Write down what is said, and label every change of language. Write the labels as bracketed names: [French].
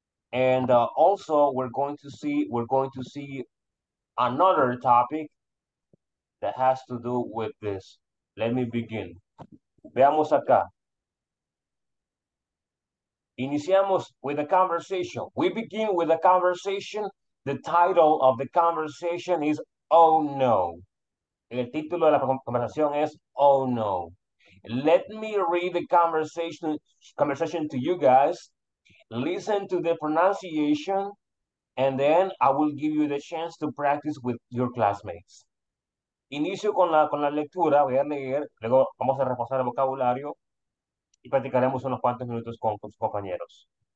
[English] And also, we're going to see another topic that has to do with this. Let me begin. [Spanish] Veamos acá. Iniciamos [English] with a conversation. We begin with a conversation. The title of the conversation is, oh no. [Spanish] El título de la conversación es, oh no. [English] Let me read the conversation to you guys. Listen to the pronunciation, and then I will give you the chance to practice with your classmates. [Spanish] Inicio con la lectura, voy a leer, luego vamos a reforzar el vocabulario y practicaremos unos cuantos minutos con sus compañeros.